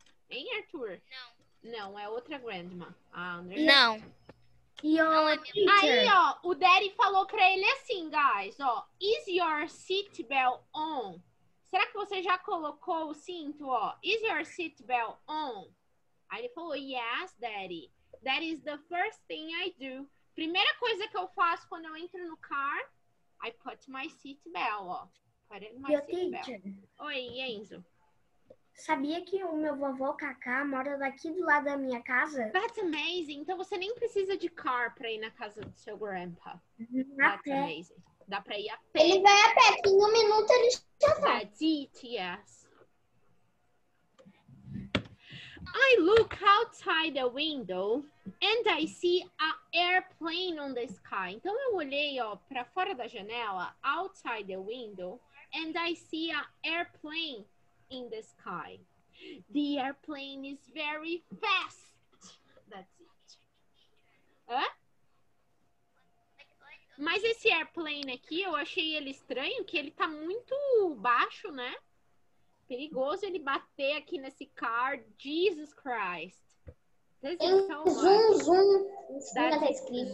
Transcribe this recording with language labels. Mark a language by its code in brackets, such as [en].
[pt] Hein, Arthur? Não. Não, é outra grandma. Não. Aí, ó, o Daddy falou pra ele assim, guys, ó. [en] Is your seatbelt on? [pt] Será que você já colocou o cinto, ó? [en] Is your seatbelt on? [pt] Aí ele falou, [en] yes, Daddy. That is the first thing I do. [pt] Primeira coisa que eu faço quando eu entro no car, [en] I put my seatbelt, [pt] ó. [en] Put it in my seatbelt. Oi, Enzo. [pt] Sabia que o meu vovô Cacá mora daqui do lado da minha casa? [en] That's amazing. [pt] Então você nem precisa de car pra ir na casa do seu grandpa. [en] Amazing. [pt] Dá pra ir a pé. Ele vai a pé, em um minuto ele já vai. [en] That's it, yes. I look outside the window and I see an airplane on the sky. [pt] Então eu olhei, ó, pra fora da janela, [en] outside the window, and I see an airplane in the sky. The airplane is very fast. That's it. Hã? [pt] Mas esse airplane aqui, eu achei ele estranho, que ele tá muito baixo, né? Perigoso ele bater aqui nesse car. [en] Jesus Christ. This is so much. Zoom, zoom. That's it.